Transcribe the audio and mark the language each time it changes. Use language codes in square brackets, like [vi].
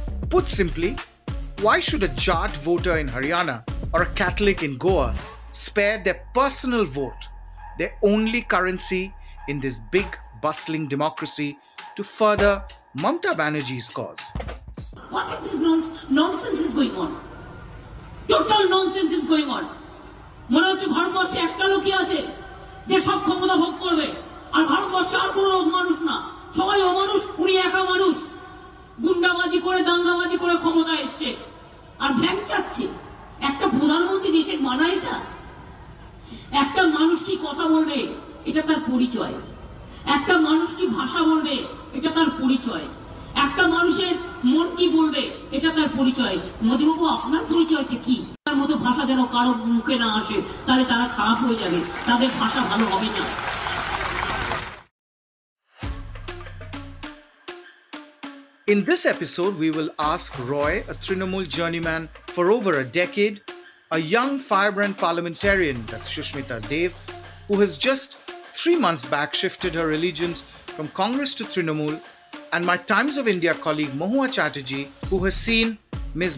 [en] Put simply, why should a Jat voter in Haryana or a Catholic in Goa spare their personal vote, their only currency in this big, bustling democracy to further Mamata Banerjee's cause? What is this nonsense is going on? Total nonsense is going on. [bn] মনে হচ্ছে ভারতবর্ষে একটা লোকই আছে যে সব ক্ষমতা ভোগ করবে আর ভারতবর্ষে আর কোনো লোক মানুষ না সবাই অমানুষ উনি একা মানুষ গুন্ডাবাজি করে দাঙ্গাবাজি করে ক্ষমতা এসছে আর ভ্যাং চাচ্ছে একটা প্রধানমন্ত্রী দেশের মানা এটা একটা মানুষ কি কথা বলবে এটা তার পরিচয় একটা মানুষ কি ভাষা বলবে এটা তার পরিচয় একটা মানুষের মন কি বলবে এটা তার পরিচয় মোদীবাবু আপনার পরিচয়টা কি তার মতো ভাষা যেন কারো মুখে না আসে তাহলে তারা খারাপ হয়ে যাবে তাদের ভাষা ভালো হবে না [en] In this episode, we will ask Roy, a Trinamool journeyman for over a decade, a young, firebrand parliamentarian, that's Sushmita Dev, who has just 3 months back shifted her allegiance from Congress to Trinamool, and my Times of India colleague Mahua Chatterjee, who has seen Ms.